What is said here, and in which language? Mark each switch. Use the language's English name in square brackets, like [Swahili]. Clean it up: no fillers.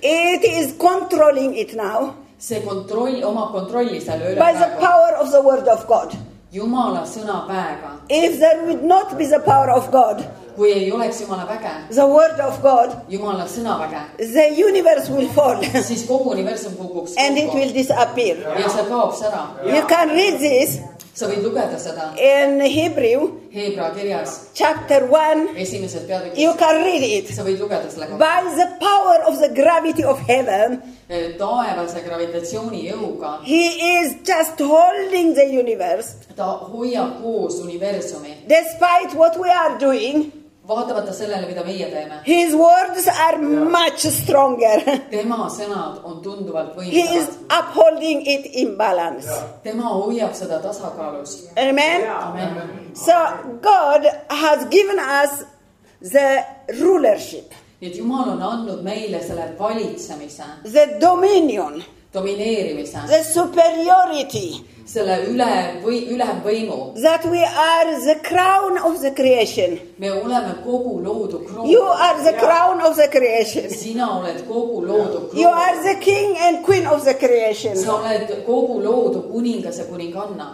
[English] It is controlling it now. [Estonian] See kontrolli oma kontrolli seal üle. [English] By the power of the word of God. [Estonian] Jumala sõna väega. [English] If there would not be the power of God. [Estonian] Kui ei oleks Jumala väge. [English] The word of God. [Estonian] Jumala sõna väge. [English] The universe will fall. [Estonian] Siis kogu universum kukuks. [English] And it will disappear. [Estonian] Ja see kaoks ära. [English] You can read this. [Estonian] Sa võid lugeda seda. [English] In Hebrew. [Estonian] Hebra kirjas. [English] Chapter 1. [Estonian] Esimesed peatükis. [English] You can read it. [Estonian] Sa võid lugeda selle kohta. [English] By the power of the gravity of heaven. [Estonian] Taevase gravitatsiooni jõuga. [English] He is just holding the universe. [Estonian] Ta hoiab koos universumi. [English] Despite what we are doing. [Estonian] Vaatamata sellele, mida meie teeme. [English] His words are much stronger. [Estonian] Tema sõnad on tunduvalt võimsamad. [English] He is upholding it in balance. [Estonian] Tema hoiab seda tasakaalus. Amen. Amen. [English] So God has given us the rulership. [Estonian] Et Jumal on andnud meile selle valitsemise. [English] The dominion. [Estonian] Domineerimise. [English] The superiority. [Estonian] Selle üle võimu. [English] That we are the crown of the creation. [Estonian] Me oleme kogu loodu kroon. [English] You are the crown of the creation. [Estonian] Sina oled kogu loodu kroon. [English] You are the king and queen of the creation. [Estonian] Sa oled kogu loodu kuningas ja kuninganna.